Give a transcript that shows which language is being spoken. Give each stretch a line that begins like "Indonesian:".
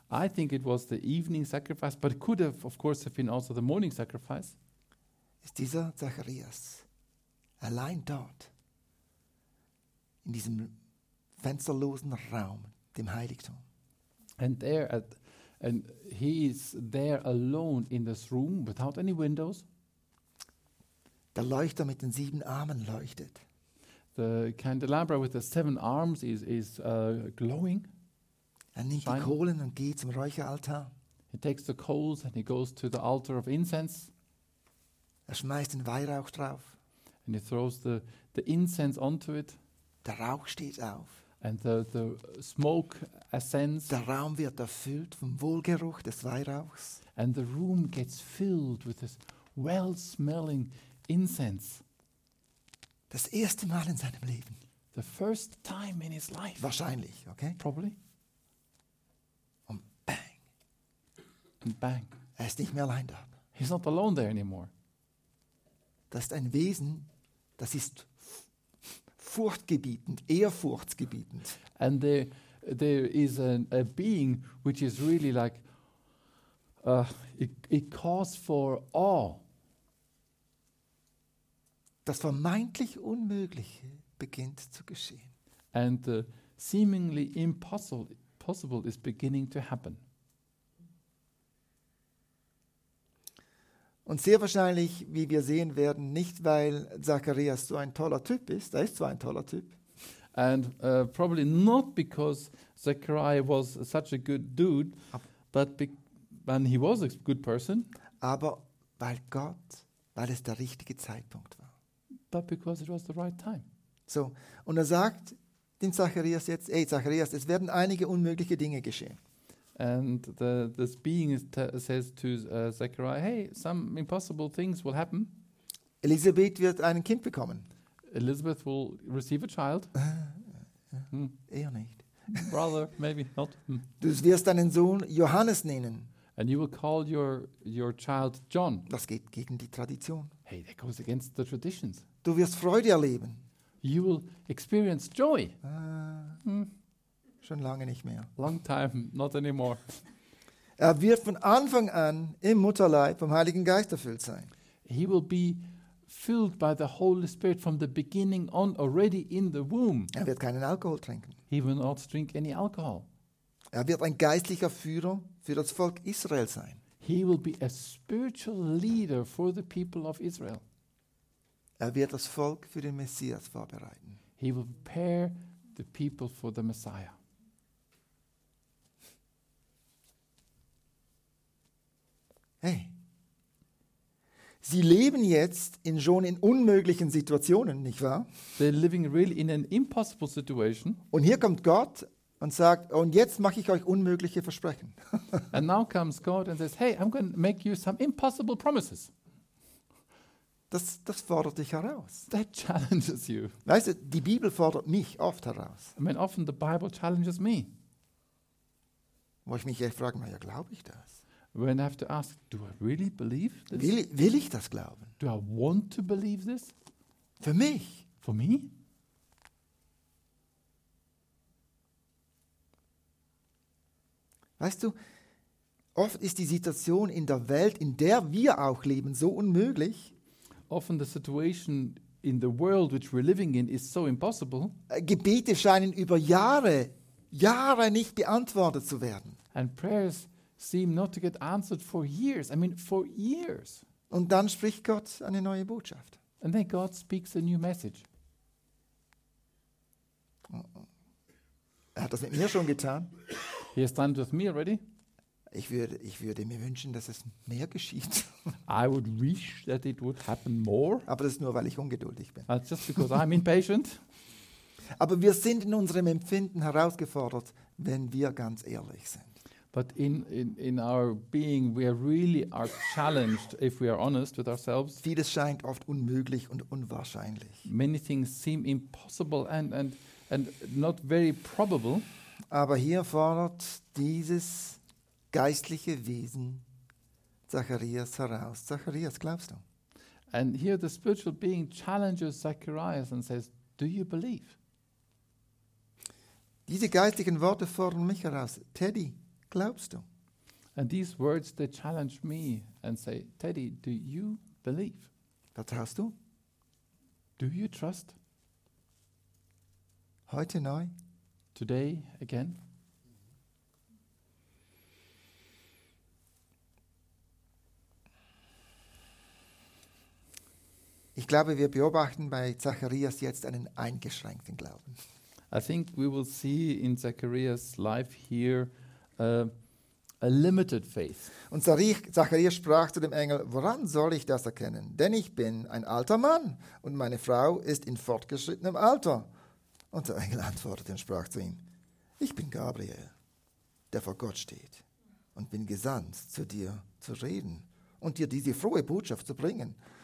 English: I think it was the evening sacrifice, but it could have, of course, have been also the morning sacrifice.
German: Ist dieser Zacharias allein dort, in diesem fensterlosen Raum, dem Heiligtum?
English: And there, and he is there alone in this room, without any windows.
German: Der Leuchter mit den sieben Armen leuchtet.
English: The candelabra with the seven arms is glowing.
German: Er nimmt die Kohlen und geht zum Räucheraltar.
English: He takes the coals and he goes to the altar of incense.
German: Er schmeißt den Weihrauch drauf.
English: And he throws the incense onto it.
German: Der Rauch steht auf.
English: And the smoke ascends.
German: Der Raum wird erfüllt vom Wohlgeruch des Weihrauchs.
English: And the room gets filled with this well-smelling incense.
German: Das erste Mal in seinem Leben.
English: The first time in his life.
German: Wahrscheinlich, okay?
English: Probably.
German: Und bang.
English: And bang.
German: Er ist nicht mehr allein da.
English: He's not alone there anymore.
German: Das ist ein Wesen, das ist furchtgebietend, ehrfurchtsgebietend.
English: And there is a being which is really like, it calls for awe.
German: Das vermeintlich Unmögliche beginnt zu geschehen.
English: And the seemingly impossible is beginning to happen.
German: Und sehr wahrscheinlich, wie wir sehen werden, nicht weil Zacharias so ein toller Typ ist. Er ist zwar ein toller Typ.
English: And probably not because Zachariah was such a good dude, but he was a good person.
German: Aber weil es der richtige Zeitpunkt war.
English: But because it was the right time.
German: So, und er sagt dem Zacharias jetzt, hey Zacharias, es werden einige unmögliche Dinge geschehen.
English: And this being says to Zachariah, hey, some impossible things will happen.
German: Elisabeth wird ein Kind bekommen.
English: Elizabeth will receive a child.
German: Eher nicht.
English: Rather, maybe not.
German: Du wirst deinen Sohn Johannes nennen.
English: And you will call your child John.
German: Das geht gegen die Tradition.
English: Hey, that goes against the traditions.
German: Du wirst Freude erleben.
English: You will experience joy.
German: Schon lange nicht mehr.
English: Long time, not anymore.
German: Er wird von Anfang an im Mutterleib vom Heiligen Geist erfüllt sein.
English: He will be filled by the Holy Spirit from the beginning on, already in the womb.
German: Er wird keinen Alkohol trinken.
English: He will not drink any alcohol.
German: Er wird ein geistlicher Führer für das Volk Israel sein.
English: He will be a spiritual leader for the people of Israel.
German: Er wird das Volk für den Messias vorbereiten.
English: He will prepare the people for the Messiah. Hey,
German: Sie leben jetzt in schon in unmöglichen Situationen, nicht wahr?
English: They're living really in an impossible situation.
German: Und hier kommt Gott und sagt, und jetzt mache ich euch unmögliche Versprechen.
English: And now comes God and says, hey, I'm going to make you some impossible promises.
German: Das fordert dich heraus.
English: That challenges you.
German: Weißt du, die Bibel fordert mich oft heraus.
English: I mean, often the Bible challenges me.
German: Wo ich mich echt frage, na ja, glaube ich das?
English: When I have to ask, do I really believe this?
German: Will ich das glauben?
English: Do I want to believe this?
German: Für mich?
English: For me?
German: Weißt du, oft ist die Situation in der Welt, in der wir auch leben, so unmöglich.
English: Often the situation in the world which we're living in is so impossible.
German: Gebete scheinen über Jahre nicht beantwortet zu werden.
English: And prayers seem not to get answered for years. I mean, for years.
German: Und dann spricht Gott eine neue Botschaft.
English: And then God speaks a new message.
German: Er hat das mit mir schon getan.
English: He has done it with me already.
German: Ich würde mir wünschen, dass es mehr geschieht.
English: I would wish that it would happen more.
German: Aber das ist nur, weil ich ungeduldig bin.
English: That's just because I'm impatient.
German: Aber wir sind in unserem Empfinden herausgefordert, wenn wir ganz ehrlich sind.
English: But in our being, we really are challenged if we are honest with ourselves.
German: Vieles scheint oft unmöglich und unwahrscheinlich.
English: Many things seem impossible and not very probable.
German: Aber hier fordert dieses geistliche Wesen Zacharias heraus. Zacharias, glaubst du?
English: And here the spiritual being challenges Zacharias and says, do you believe?
German: Diese geistlichen Worte fordern mich heraus. Teddy, glaubst du?
English: And these words, they challenge me and say, Teddy, do you believe?
German: Vertraust du?
English: Do you trust?
German: Heute neu?
English: Today again?
German: Ich glaube, wir beobachten bei Zacharias jetzt einen eingeschränkten Glauben.
English: I think we will see in Zacharias life here a limited faith.
German: Und Zacharias sprach zu dem Engel, woran soll ich das erkennen? Denn ich bin ein alter Mann und meine Frau ist in fortgeschrittenem Alter. Und der Engel antwortete und sprach zu ihm, ich bin Gabriel, der vor Gott steht und bin gesandt, zu dir zu reden und dir diese frohe Botschaft zu bringen.